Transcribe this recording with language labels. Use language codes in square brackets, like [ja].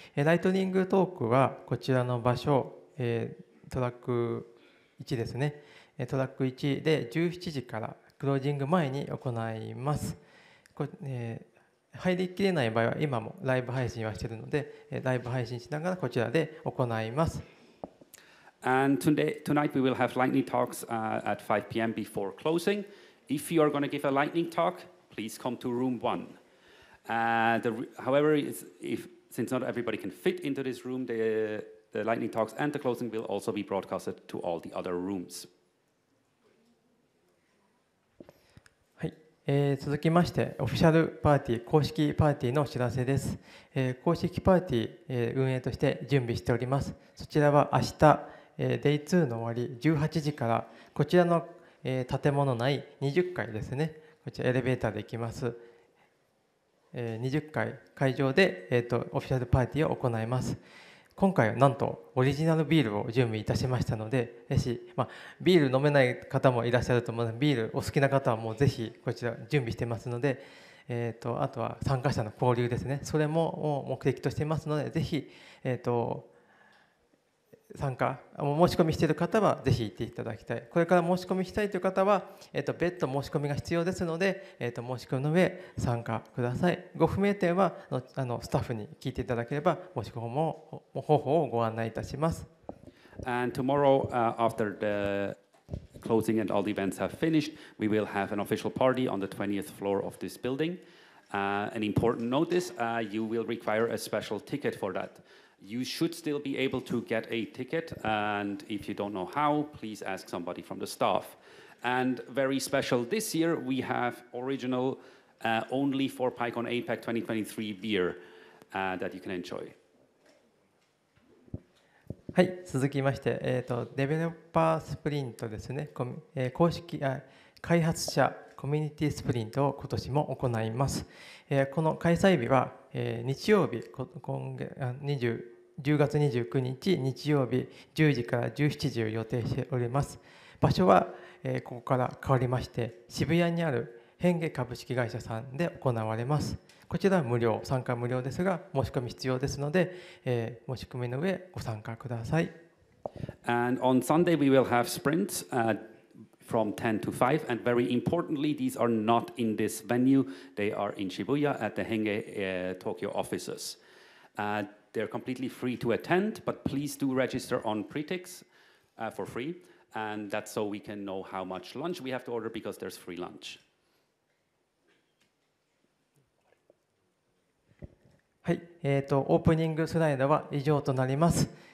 [ja] ライトニングトークはこちらの場所、トラック1ですね、トラック1で17時からクロージング前に行います。入りきれない場合は今もライブ配信はしているので、ライブ配信しながらこちらで行います。 [en] And tonight we will have lightning talks at 5 p.m. before closing. If you are going to give a lightning talk, please come to room 1. However, since not everybody can fit into this room, the lightning talks and the closing will also be broadcasted to all the other rooms. [ja] 続きまして、オフィシャルパーティー、公式パーティーのお知らせです。公式パーティー運営として準備しております。そちらは明日、Day2 の終わり18時から、こちらの建物内20階ですね。こちらエレベーターで行きます。20階会場でオフィシャルパーティーを行います。今回はなんとオリジナルビールを準備いたしましたので、ぜひ、まあ、ビール飲めない方もいらっしゃると思うので、ビールお好きな方はもうぜひこちら準備してますので、あとは参加者の交流ですね、それも目的としていますので、ぜひ、参加申し込みしている方はぜひ行っていただきたい。これから申し込みしたいという方は、別途申し込みが必要ですので、申し込みの上参加ください。ご不明点はあのスタッフに聞いていただければ、申し込みも方法をご案内いたします。 [en] And tomorrow, after the closing and all the events have finished, we will have an official party on the 20th floor of this building. An important notice, you will require a special ticket for that. You should still be able to get a ticket, and if you don't know how, please ask somebody from the staff. And very special this year, we have original only for PyConAPAC2023 beer that you can enjoy. [ja] はい、続きまして、デベロッパースプリントですね、公式、開発者コミュニティスプリントを今年も行います。この開催日は、日曜日、10月29日日曜日10時から17時を予定しております。場所は、ここから変わりまして、渋谷にある変化株式会社さんで行われます。こちらは無料、参加無料ですが申し込み必要ですので、申し込みの上ご参加ください。 [en] And on Sunday we will have sprints、from 10 to 5, and very importantly, these are not in this venue. They are in Shibuya at the Henge Tokyo offices. They're completely free to attend, but please do register on Pretix for free, and that's so we can know how much lunch we have to order, because there's free lunch. [ja] はい、オープニングスライドは以上となります。